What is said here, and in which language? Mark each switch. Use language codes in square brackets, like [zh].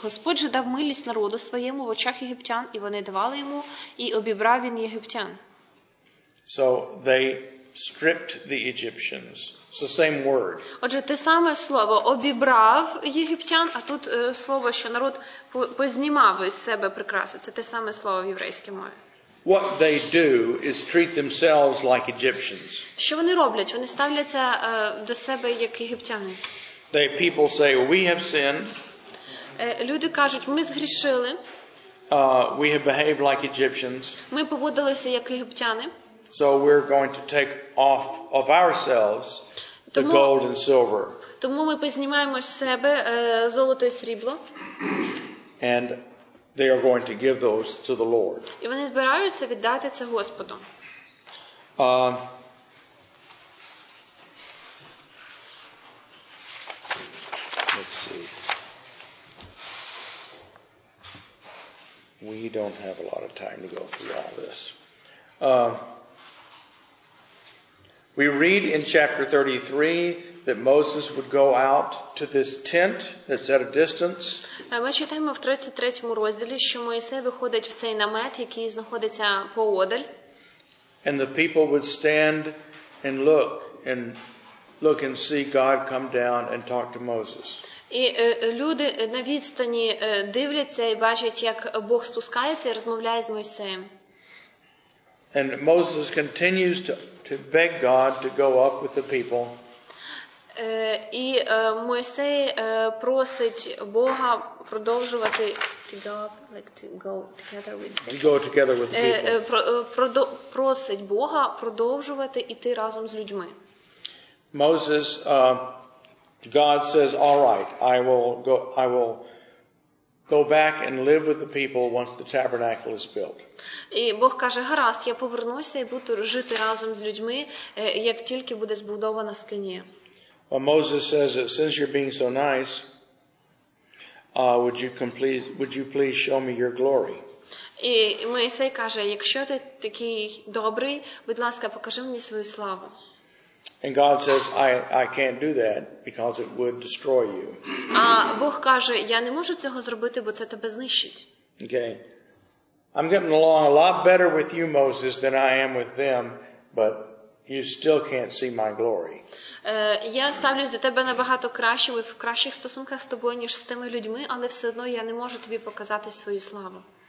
[uk] Господь же дав милість народу своєму в очах єгиптян, і вони давали йому, і обібрав він єгиптян. [en] So they stripped the Egyptians. It's the same word. [uk] Отже, те саме слово обібрав єгиптян, а тут слово, що народ познімав із себе прикраси. Це те саме слово в єврейській мові. [en] What they do is treat themselves like Egyptians. [uk] Що вони роблять? Вони ставляться до себе як єгиптяни. [en] They people say, "We have sinned." [uk] Люди кажуть, ми згрішили. [en] We have behaved like Egyptians. [uk] Ми поводилися як єгиптяни. [en] So we're going to take off of ourselves the gold and silver. [uk] Тому ми познімаємо з себе золото і срібло. [en] And they are going to give those to the Lord. [uk] І вони збираються віддати це Господу. [en] Let's see. We don't have a lot of time to go through all this. We read in chapter 33 that Moses would go out to this tent that's at a distance. [uk] Ми читаємо в 33-му розділі, що Мойсей виходить в цей намет, який знаходиться поодаль. [en] And the people would stand and look and look and see God come down and talk to Moses. [uk] І люди на відстані дивляться і бачать, як Бог спускається і розмовляє з Мойсеєм. [en] And Moses continues to beg God to go up with the people. [uk] І Мойсей просить Бога продовжувати [en] to go up, like to go together with people. To go together with the people. [uk] Просить Бога продовжувати іти разом з людьми. [en] Moses God says, "All right, I will go back and live with the people once the tabernacle is built." [uk] І Бог каже: "Гаразд, я повернуся і буду жити разом з людьми, як тільки буде збудована скинія." [en] Well, Moses says, that, "Since you're being so nice, would you please show me your glory?" [uk] І Мойсей каже: "Якщо ти такий добрий, будь ласка, покажи мені свою славу." [en] And God says, I can't do that because it would destroy you. [uk] А Бог каже, я не можу цього зробити, бо це тебе знищить. [en] Okay. I'm getting along a lot better with you, Moses, than I am with them, but you still can't see my glory. [uk] Я ставлюсь до тебе набагато краще, ми в кращих стосунках з тобою, ніж з тими людьми, але все одно я не можу тобі показати свою славу.